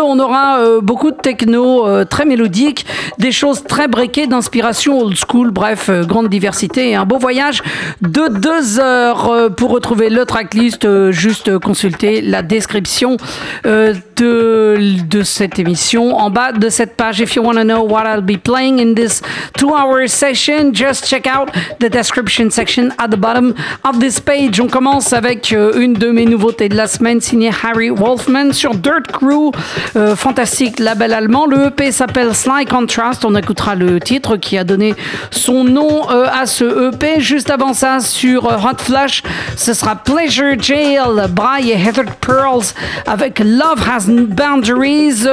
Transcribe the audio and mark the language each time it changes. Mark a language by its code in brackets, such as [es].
[fr] On aura beaucoup de techno très mélodique, des choses très breakées d'inspiration old school, bref, grande diversité et un beau voyage de 2 heures. Pour retrouver le tracklist, juste consulter la description de cette émission en bas de cette page. [en] If you want to know what I'll be playing in this 2-hour session, just check out the description section at the bottom of this page. [fr] On commence avec une de mes nouveautés de la semaine, signée Harry Wolfman sur Dirt Crew, fantastique label allemand. Le EP s'appelle Sly Contrast, on écoutera le titre qui a donné son nom à ce EP. Juste avant ça, sur Hotflush, ce sera Pleasure Jail, Bryce et Heather Pearls avec Love Has Boundaries.